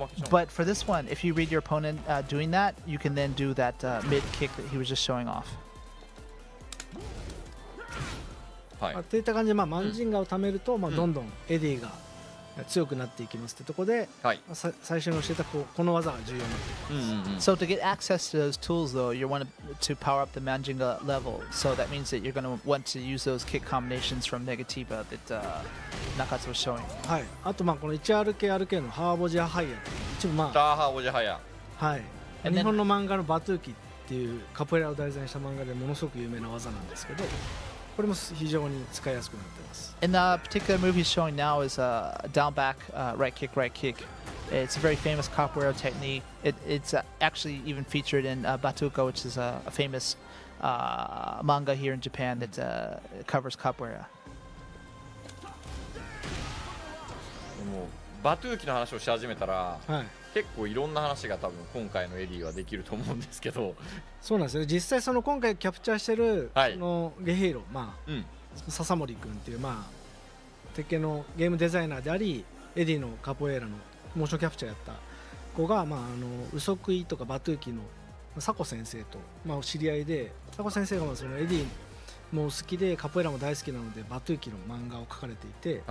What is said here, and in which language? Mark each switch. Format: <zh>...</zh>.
<en>But for this one, if you read your opponent doing that, you can then do that mid kick that he was just showing off.</en> <ja>はい。といった感じで、まあ、マンジンガを貯めると、まあ、どんどんエディが強くなっていきますってとこで、はい、まあ、最初に教えたこの技が重要になってきます。</ja> <en>So to get access to those tools, though, you want to power up the Manjinga level. So that means that you're going to want to use those kick combinations from Negativa that Nakatsu was showing.</en> <ja>はい。あとまあこの 1RK-RK のハーボジャハイヤ。一部まあ。ダーハーボジャハイヤ。はい。日本の漫画のバトゥーキっていうカポエラを題材にした漫画でものすごく有名な技なんですけど、これも非常に使いやすくなってます。</ja> <en>And the particular move he's showing now is a down back right kick right kick. It's a very famous capoeira technique. It's actually even featured in Batuka, which is a famous manga here in Japan that covers capoeira.</en> <ja>もうバトゥーキの話をし始めたら、結構いろんな話が多分今回のエディはできると思うんですけど。そうなんですよ。実際その今回キャプチャーしてるのゲヘイロ、まあ。うん、笹森くんっていう、まあ、鉄拳のゲームデザイナーであり、エディのカポエラのモーションキャプチャーやった子が、まあ、あのウソクイとかバトゥーキの佐古先生と、まあ、知り合いで、佐古先生がそのエディも好きでカポエラも大好きなのでバトゥーキの漫画を描かれていて、</ja>